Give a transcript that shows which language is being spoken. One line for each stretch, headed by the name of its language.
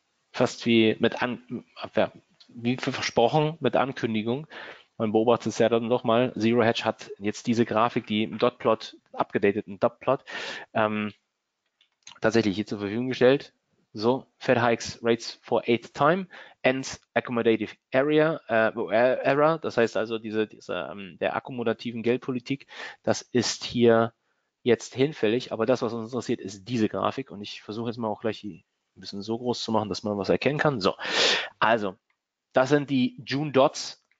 German: Fast wie wie versprochen mit Ankündigung. Man beobachtet es ja dann doch mal. Zero Hedge hat jetzt diese Grafik, die im Dotplot, abgedateten Dotplot, tatsächlich hier zur Verfügung gestellt.
English: So, Fed hikes rates for eighth time and accommodative error.
German: Das heißt also, der akkommodativen Geldpolitik, das ist hier jetzt hinfällig. Aber das, was uns interessiert, ist diese Grafik. Und ich versuche jetzt mal auch gleich ein bisschen so groß zu machen, dass man was erkennen kann. So, also, das sind die June Dots.